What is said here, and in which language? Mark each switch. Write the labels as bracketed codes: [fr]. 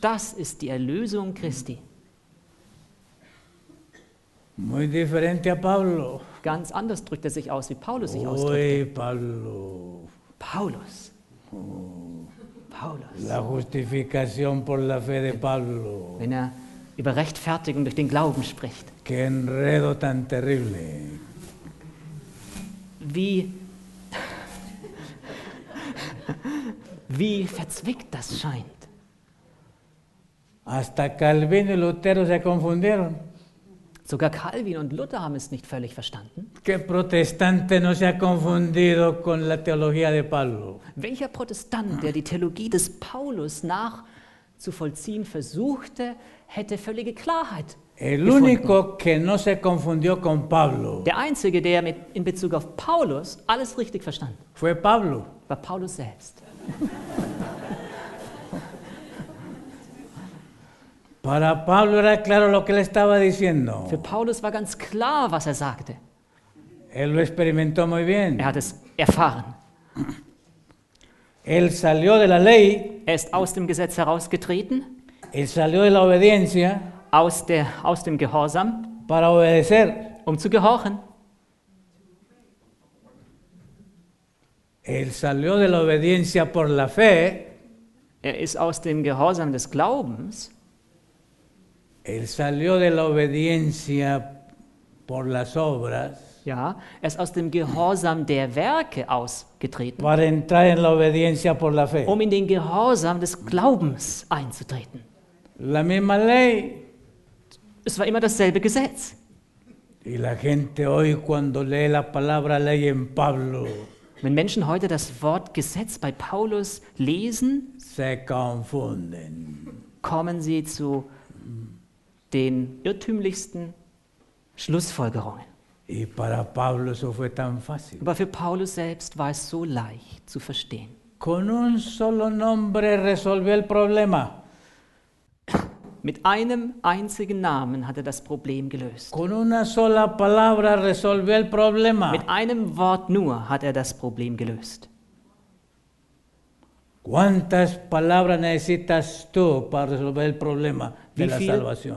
[de] Das ist die Erlösung Christi. [es] Muy diferente a Pablo. [de] Ganz anders drückt er sich aus, wie Paulus sich ausdrückt. [es] Oye, Pablo. [de] Paulus. Paulus. [es] La justificación por la fe de Pablo. [de] Wenn er über Rechtfertigung durch den Glauben spricht. [es] Qué enredo tan terrible. [de] Wie verzwickt das scheint. [es] Hasta Calvin y Lutero se confundieron. [de] Sogar Calvin und Luther haben es nicht völlig verstanden. [es] ¿Qué protestante no se ha confundido con la teología de Pablo? [de] Welcher Protestant, der die Theologie des Paulus nachzuvollziehen versuchte, hätte völlige Klarheit gefunden? [es] El único que no se confundió con Pablo. [de] Der Einzige, der mit, in Bezug auf Paulus alles richtig verstand, [es] fue Pablo. [de] War Paulus selbst. [es] Para Pablo era claro lo que él estaba diciendo. [de] Für Paulus war ganz klar, was er sagte. [es] Él lo experimentó muy bien. [de] Er hat es erfahren. [es] Él salió de la ley. [de] Er ist aus dem Gesetz herausgetreten. [es] Él salió de la obediencia. [de] Aus dem Gehorsam. [es] Para obedecer. [de] Um zu gehorchen. [es] Él salió de la obediencia por la fe. [de] Er ist aus dem Gehorsam des Glaubens. [es] Él salió de la obediencia por las obras. [de] Ja, er ist aus dem Gehorsam der Werke ausgetreten. [es] Para entrar en la obediencia por la fe. [de] Um in den Gehorsam des Glaubens einzutreten. [es] La misma ley. [de] Es war immer dasselbe Gesetz. [es] Y la gente hoy cuando lee la palabra ley en Pablo. [de] Wenn Menschen heute das Wort Gesetz bei Paulus lesen, [es] se confunden. [de] Kommen sie zu den irrtümlichsten Schlussfolgerungen. [es] Y para Pablo eso fue tan fácil. [de] Aber für Paulus selbst war es so leicht zu verstehen. [es] Con un solo nombre resolvió el problema. [de] Mit einem einzigen Namen hat er das Problem gelöst. [es] Con una sola palabra resolvió el problema. [de] Mit einem Wort nur hat er das Problem gelöst. [es] ¿Cuántas palabras necesitas tú para resolver el problema de la salvación?